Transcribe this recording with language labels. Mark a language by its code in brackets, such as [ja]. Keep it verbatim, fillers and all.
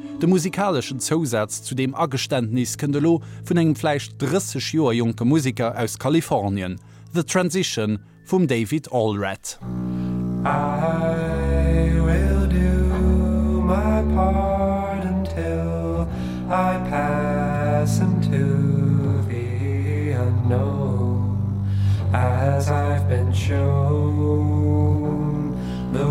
[lb] De musikalischen Zusatz zu dem Aggeständnis kënnt lo vun engem fleich dreißig Joer junge Musiker aus Kalifornien. The Transition vum David Allred. [en] I will do my part until I pass into the unknown, as I've been shown.